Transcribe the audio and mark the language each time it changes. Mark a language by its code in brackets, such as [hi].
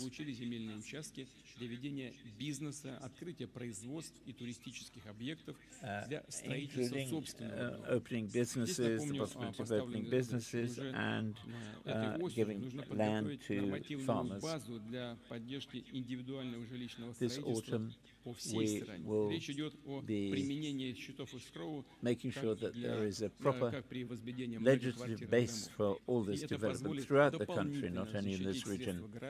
[ru] Получили земельные участки для ведения бизнеса, открытия производств и туристических объектов для строительства собственного. [en] Opening businesses, the possibility of opening businesses, and giving land to farmers. [ru] Для поддержки индивидуального жилищного строительства по всей стране. Речь идет о применении счетов эскроу, [en] making sure that there is a proper legislative base for all this development throughout the country, not only in this region.